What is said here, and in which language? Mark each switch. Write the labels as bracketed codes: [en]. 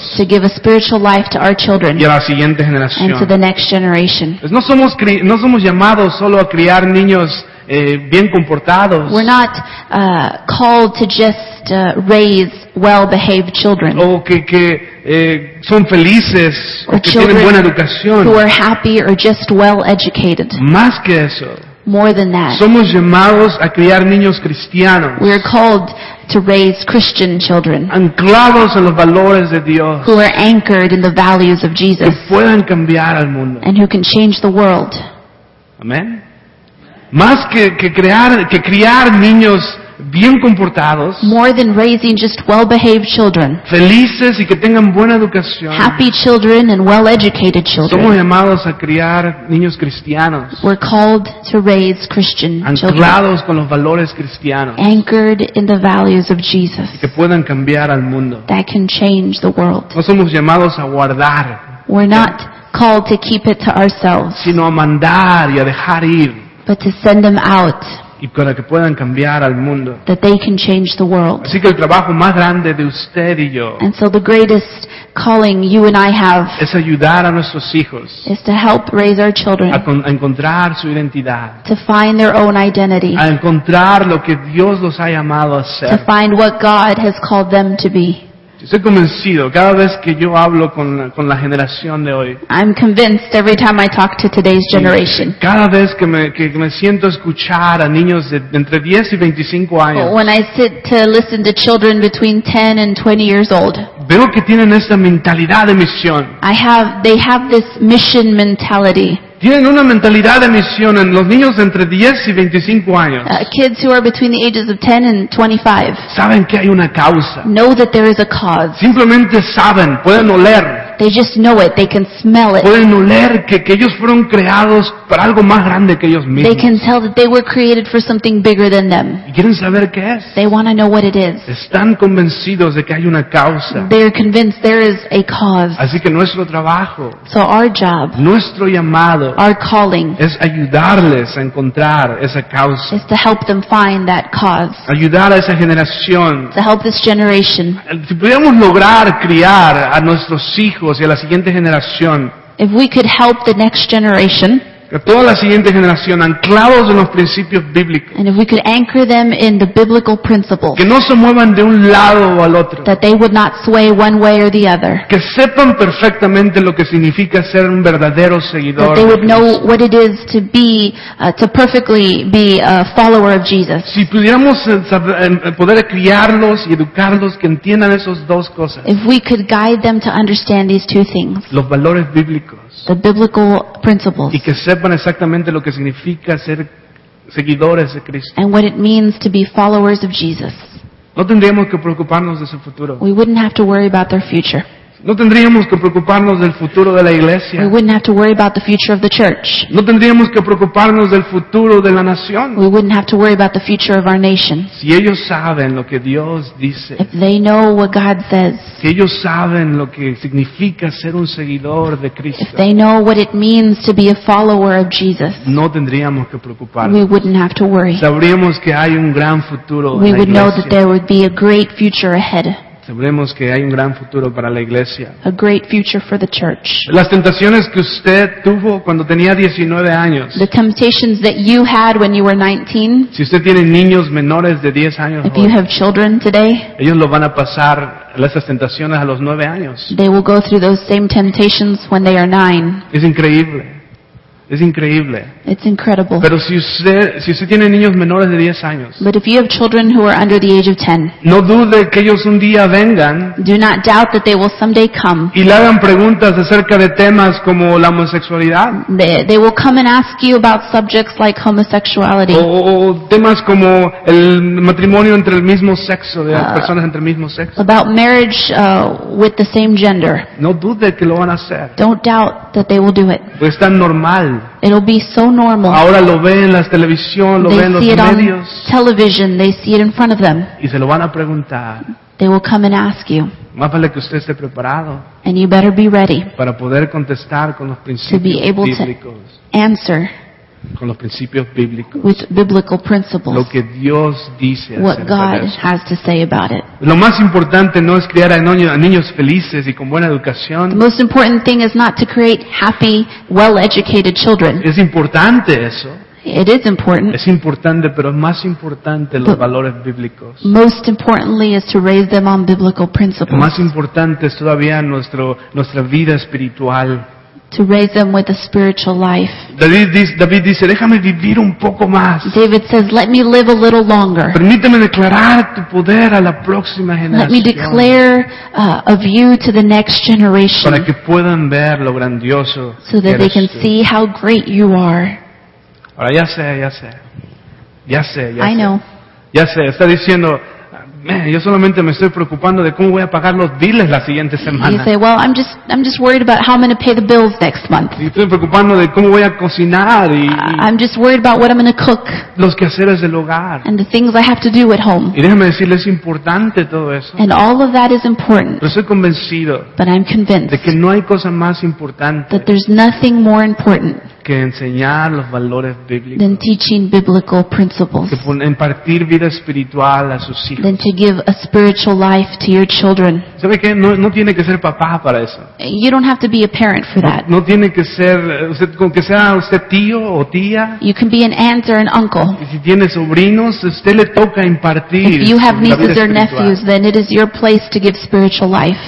[en] is to give a spiritual life to our children, [es] y a la siguiente generación, [en] and to the next generation. [es] Pues no somos llamados solo a criar niños bien comportados. [en] We're not called to just raise well-behaved children. [es] O que son felices, o que tienen buena educación. [en] Who are happy or just well-educated. [es] Más que eso. [en] More than that. [es] Somos llamados a criar niños cristianos. [en] We are called to raise Christian children. [es] Anclados en los valores de Dios. [en] Who are anchored in the values of Jesus. [es] Que puedan cambiar al mundo. [en] And who can change the world. [es] Amén. Más que criar niños bien comportados, [en] more than raising just well-behaved children, [es] felices y que tengan buena educación, [en] happy children and well-educated children, [es] somos llamados a criar niños cristianos, [en] we're called to raise Christian [es] anclados [en] children, [es] con los valores cristianos, [en] anchored in the values of Jesus, [es] que puedan cambiar al mundo, [en] that can change the world. [es] No somos llamados a guardar, [en] we're not called to keep it to ourselves, [es] sino a mandar y a dejar ir, [en] but to send them out, [es] y para que puedan cambiar al mundo, [en] that they can change the world. [es] Así que el trabajo más grande de usted y yo, [en] and so the greatest calling you and I have, [es] es ayudar a nuestros hijos, [en] is to help raise our children, [es] a encontrar su identidad, [en] to find their own identity, [es] a encontrar lo que Dios los ha llamado a ser, [en] to find what God has called them to be. [es] Estoy convencido cada vez que yo hablo con la generación de hoy. [en] I'm convinced every time I talk to today's generation. [es] Cada vez que me siento a escuchar a niños de entre 10 y 25 años. [en] When I sit to listen to children between 10 and 20 years old. [es] Veo que tienen esta mentalidad de misión. [en] They have this mission mentality. [es] Tienen una mentalidad de misión en los niños entre 10 y 25 años. [en] Kids who are between the ages of 10 and 25. [es] Saben que hay una causa. [en] Know that there is a cause. [es] Simplemente saben, pueden oler. [en] They just know it, they can smell it. [es] Pueden oler que ellos fueron creados para algo más grande que ellos mismos. [en] They can tell that they were created for something bigger than them. [es] Y quieren saber qué es. [en] They want to know what it is. [es] Están convencidos de que hay una causa. [en] They are convinced there is a cause. [es] Así que nuestro trabajo, [en] so our job, [es] nuestro llamado, [en] our calling, [es] es ayudarles a encontrar esa causa. [en] Is to help them find that cause. [es] Ayudar a esa generación. [en] To help this generation. [es] Si pudiéramos lograr criar a nuestros hijos y a la siguiente generación, [en] if we could help the next generation, [es] que toda la siguiente generación anclados en los principios bíblicos, [en] and if we could anchor them in the biblical principles, [es] que no se muevan de un lado o al otro, [en] that they would not sway one way or the other, [es] que sepan perfectamente lo que significa ser un verdadero seguidor, [en] that they would know what it is to be to perfectly be a follower of Jesus, [es] si pudiéramos poder criarlos y educarlos que entiendan esas dos cosas, [en] if we could guide them to understand these two things, [es] los valores bíblicos, [en] the biblical principles, [es] y que sepan exactamente lo que significa ser seguidores de Cristo, [en] and what it means to be followers of Jesus. [es] No tendríamos que preocuparnos de su futuro. [en] We wouldn't have to worry about their future. [es] No tendríamos que preocuparnos del futuro de la iglesia. [en] We wouldn't have to worry about the future of the church. [es] No tendríamos que preocuparnos del futuro de la nación. [en] We wouldn't have to worry about the future of our nation. [es] Si ellos saben lo que Dios dice. [en] If they know what God says. [es] Si ellos saben lo que significa ser un seguidor de Cristo. [en] If they know what it means to be a follower of Jesus. [es] No tendríamos que preocuparnos. [en] We wouldn't have to worry. [es] Sabríamos que hay un gran futuro en la iglesia. [en] We would know that there would be a great future ahead. [es] Sabremos que hay un gran futuro para la iglesia. [en] A great future for the church. [es] Las tentaciones que usted tuvo cuando tenía 19 años. [en] The temptations that you had when you were 19. [es] Si usted tiene niños menores de 10 años. [en] If you have children today. [es] Ellos lo van a pasar esas tentaciones a los 9 años. [en] They will go through those same temptations when they are 9. [es] Es increíble. Es increíble. [en] It's incredible. [es] Pero si usted tiene niños menores de 10 años. [en] But if you have children who are under the age of 10. [es] No dude que ellos un día vengan. [en] Do not doubt that they will someday come. [es] Y le hagan preguntas acerca de temas como la homosexualidad. [en] They will come and ask you about subjects like homosexuality. [es] O temas como el matrimonio entre el mismo sexo de las personas entre el mismo sexo. [en] About marriage with the same gender. [es] No dude que lo van a hacer. [en] Don't doubt that they will do it. [es] Pues tan normal. [en] It'll be so normal. [es] Ahora lo ven en la televisión, lo [en] they [es] ven en los medios. [en] They see it on television. They see it in front of them. [es] Y se lo van a preguntar. [en] They will come and ask you. [es] Más vale que usted esté preparado. [en] And you better be ready. [es] Para poder contestar con los principios bíblicos. [en] To be able to answer [es] con los principios bíblicos, [en] with biblical principles, [es] lo que Dios dice, [en] what God has to say about it. [es] Lo más importante no es crear a niños felices y con buena educación. [en] The most important thing is not to create happy, well-educated children. [es] Es importante eso. [en] It is important. [es] Es importante, pero más importante los valores bíblicos. [en] Most importantly is to raise them on biblical principles. [es] Más importante es todavía nuestra vida espiritual. [en] To raise them with a spiritual life. [es] David dice, déjame vivir un poco más. [en] David says, let me live a little longer. [es] Permíteme declarar tu poder a la próxima generación. [en] Let me declare of you to the next generation. [es] Para que puedan ver lo grandioso. [en] So that they can see how great you are. [es] Ahora ya sé. [en] I know. [es] Ya sé, está diciendo, yo solamente me estoy preocupando de cómo voy a pagar los biles la siguiente semana. [en] You say, well, I'm just worried about how I'm going to pay the bills next month. [es] Y estoy preocupando de cómo voy a cocinar y [en] I'm just worried about what I'm going to cook. [es] Los quehaceres del hogar. [en] And the things I have to do at home. [es] Y déjame decirle, es importante todo eso. [en] And all of that is important. [es] Pero estoy convencido. [en] But I'm convinced. [es] De que no hay cosa más importante. [en] That there's nothing more important. [es] Que enseñar los valores bíblicos. [en] Than teaching biblical principles. [es] Que impartir vida espiritual a sus hijos. [en] Than to give a spiritual life to your children. [es] ¿Sabe qué? No tiene que ser papá para eso. [en] You don't have to be a parent for that. [es] No tiene que ser usted, con que sea usted tío o tía. [en] You can be an aunt or an uncle. [es] Y si tiene sobrinos, usted le toca impartir. [en] If you have nieces or nephews, then it is your place to give spiritual life.